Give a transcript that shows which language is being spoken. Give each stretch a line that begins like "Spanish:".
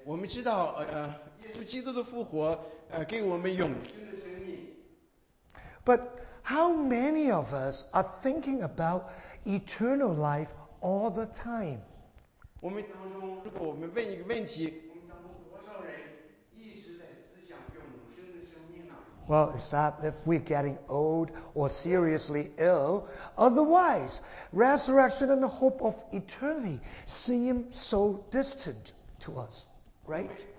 Chinese: 我们知道耶稣基督的复活给我们永生命。But
English: how many of us are thinking about eternal life all the time?
Chinese: 我们当中，如果我们问一个问题，我们当中多少人一直在思想永生的生命呢？Well,
English: is that if we're getting old or seriously ill? Otherwise, resurrection and the hope of eternity seem so distant to us, right?